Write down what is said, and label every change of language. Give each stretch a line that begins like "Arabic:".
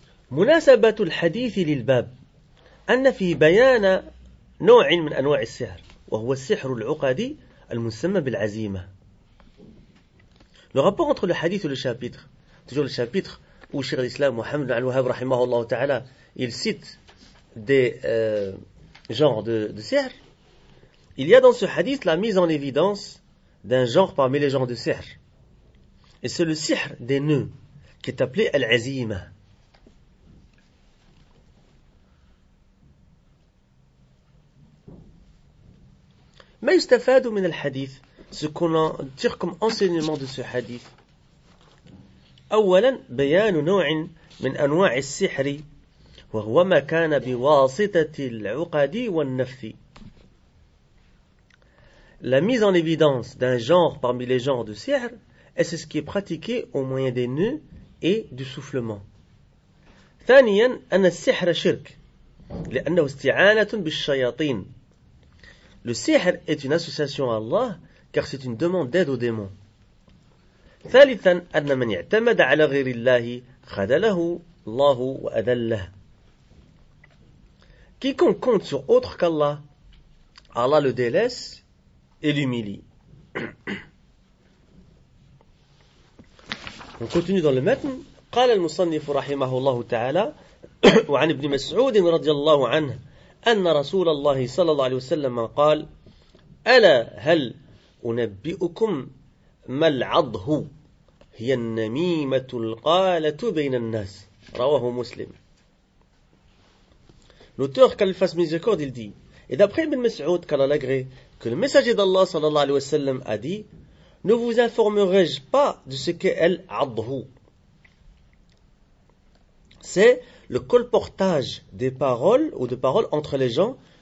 Arabic: مناسبه الحديث للباب ان في بيان نوع من انواع السحر وهو السحر العقدي المسمى بالعزيمه.
French: Le rapport entre le hadith et le chapitre, toujours le chapitre où Cheikh l'Islam Mohammed bin Al-Wahhab rahimahullah ta'ala, il cite des genres de sihr, il y a dans ce hadith la mise en évidence d'un genre parmi les genres de sihr. Et c'est le sihr des nœuds, qui est appelé al-azima.
Arabic: Ma yustafadu min al-hadith,
French: ce qu'on en tire comme enseignement de ce hadith.
Arabic: Awalan, bayanu nou'in min anwa'i sihri. وهو ما كان بواسطة العقد والنفث.
French: La mise en évidence d'un genre parmi les genres de sihr, est ce qui est pratiqué au moyen des nœuds et du soufflement.
Arabic: ثانيا أن السحر شرك لأنه استعانة بالشياطين.
French: Le sihr est une association à Allah car c'est une demande d'aide aux démons.
Arabic: ثالثا أن من اعتمد على غير الله خذله الله وأذله.
French: Quiconque compte sur autre qu'Allah, Allah le délaisse et l'humilie. On continue dans le matn.
Arabic: قال المصنف رحمه الله تعالى وعن ابن مسعود رضي الله عنه أن رسول الله صلى الله عليه وسلم قال ألا هل أنبئكم ما العضه هي النميمة القالة بين الناس رواه مسلم.
French: L'auteur, qu'Allah lui fasse miséricorde, il dit, et d'après Ibn Mas'ud, qu'Allah l'agrée, que le messager d'Allah, sallallahu alayhi wa sallam, a dit, ne vous informerai-je pas de ce qu'est al-adhu. C'est le colportage des paroles ou de paroles entre les gens